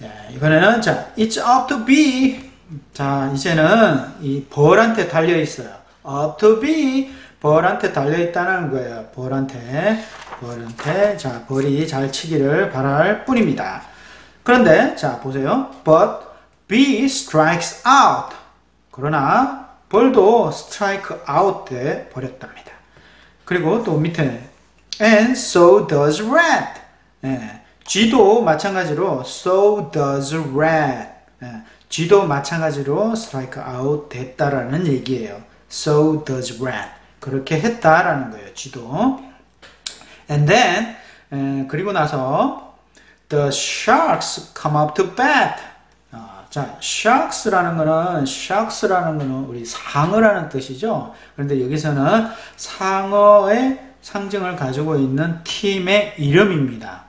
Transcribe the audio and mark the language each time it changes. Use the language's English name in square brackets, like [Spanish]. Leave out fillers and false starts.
[Korean] 이번에는 자, [English] it's up to be. [Korean] 자, 이제는 이 벌한테 달려 있어요. [English] Up to be. [Korean] 벌한테 달려 있다는 거예요. 벌한테. 자, 벌이 잘 치기를 바랄 뿐입니다. 그런데 자, 보세요. [English] But bee strikes out. [Korean] 그러나 벌도 strike out 돼 버렸답니다. 그리고 또 밑에 [English] and so does rat. [Korean] 쥐도 마찬가지로 [English] so does rat. [Korean] 쥐도 마찬가지로 strike out 됐다라는 얘기예요. [English] So does rat. [Korean] 그렇게 했다라는 거예요, 쥐도. [English] And then, [Korean] 그리고 나서, [English] the sharks come up to bat. [Korean] 자, sharks라는 거는 우리 상어라는 뜻이죠. 그런데 여기서는 상어의 상징을 가지고 있는 팀의 이름입니다.